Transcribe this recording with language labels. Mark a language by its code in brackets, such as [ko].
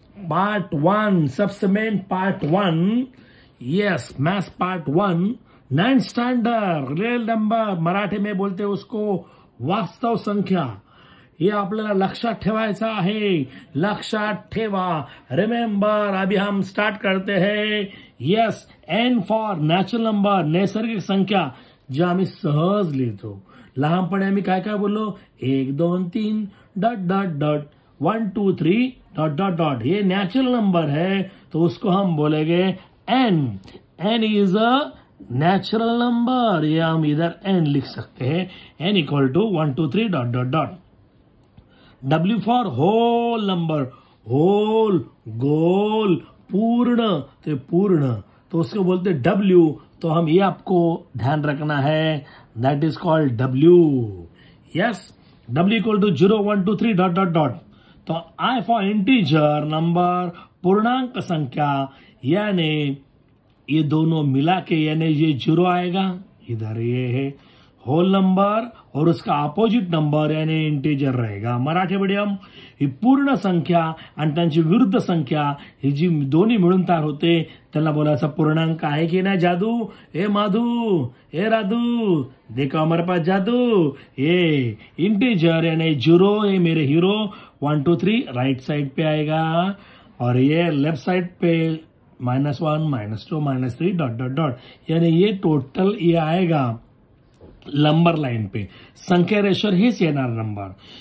[hi] Part one सबसे main part one. Yes, maths part one, 9 standard, real number, Marathi में बोलते उसको वास्तव संख्या। [mr] ये आपल्याला लक्षात ठेवायचं आहे, लक्षात ठेवा, रिमेंबर। [hi] अभी हम स्टार्ट करते हैं। Yes, N for natural number, नैसर्गिक संख्या, [mr] जी आम्ही सहज लिहितो। लहानपणी आम्ही काय काय बोललो, [hi] 1 2 3 dot dot dot, 1 2 3 dot dot dot, ये नॅचरल नंबर है तो उसको हम बोलेंगे N. [en] N is a natural number, [hi] ये हम इधर एन लिख सकते हैं। N equal to 1 2 3 dot dot dot. W for whole number, whole, गोल, पूर्ण, तो पूर्ण, तो उसको बोलते हैं डब्ल्यू। तो हम ये आपको ध्यान रखना है, [en] That is called W. [hi] Yes, W equal to 0 1 2 3 dot dot dot. तो आई फॉर इंटीजर नंबर, पूर्णांक संख्या, यानी ये दोनों मिला के, यानी ये 0 आएगा, इधर ये है होल नंबर और उसका अपोजिट नंबर यानी इंटीजर रहेगा मराठी मीडियम। [mr] ये पूर्ण संख्या आणि त्यांची विरुद्ध संख्या, हे जी दोन्ही मिळून तयार होते त्याला बोलायचं पूर्णांक आहे की नाही। [hi] जादू, ए माधू, ए राधू, देखो हमारे पास जादू। ये इंटीजर यानी 0 है मेरे हीरो। 1 2 3 राइट साइड पे आएगा और ये लेफ्ट साइड पे -1 -2 -3 डॉट डॉट डॉट, यानी ये टोटल ये आएगा नंबर लाइन पे, संख्या रेशर ही से येणार नंबर।